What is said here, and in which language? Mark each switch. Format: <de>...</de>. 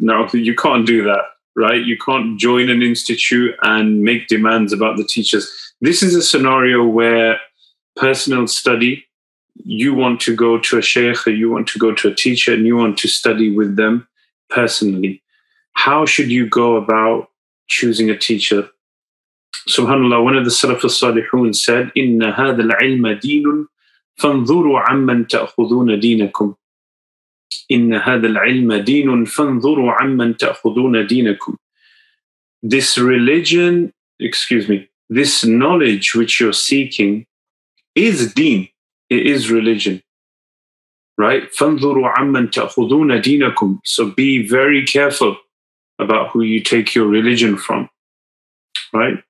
<en>No, you can't do that, right? You can't join an institute and make demands about the teachers. This is a scenario where personal study, you want to go to a sheikh, or you want to go to a teacher, and you want to study with them personally. How should you go about choosing a teacher? SubhanAllah, one of the Salaf al-Salihun said,</en> <ar>إِنَّ هَذَا الْعِلْمَ دِينٌ فَانْظُرُوا عَمَّنْ تَأْخُذُونَ دِينَكُمْ إِنَّ هَذَا الْعِلْمَ دِينٌ فَانْظُرُوا عَمَّنْ تَأْخُذُونَ دِينَكُمْ.</ar> <en>This religion, excuse me, this knowledge which you're seeking is deen, it is religion, right?</en> <ar>فَانْظُرُوا عَمَّنْ تَأْخُذُونَ دِينَكُمْ.</ar> <en>So be very careful about who you take your religion from, right?</en>